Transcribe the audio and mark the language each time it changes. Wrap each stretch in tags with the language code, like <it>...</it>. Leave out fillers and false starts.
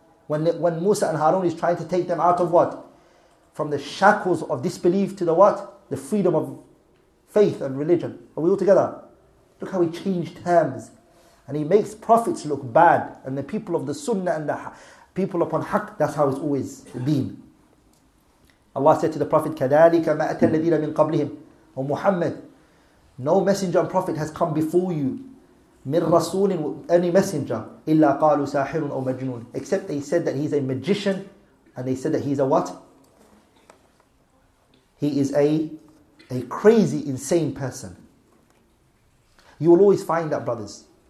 <en>When Musa and Harun is trying to take them out of what? From the shackles of disbelief to the what? The freedom of faith and religion. Are we all together? Look how he changed terms. And he makes prophets look bad. And the people of the sunnah and the people upon haqq, that's how it's always been. Allah said to the Prophet,</en> <ar>كَذَلِكَ مَا أَتَى الَّذِينَ مِنْ قَبْلِهِمْ.</ar> <en>O Muhammad, no messenger and prophet has come before you,</en> <ar>مِنْ رَسُولٍ,</ar> <en>any messenger,</en> <ar>إِلَّا قَالُوا سَاحِرٌ أَوْ مَجْنُونَ.</ar> <en>Except they said that he's a magician, and they said that he's a what? He is a crazy, insane person. You will always find that, brothers.</en>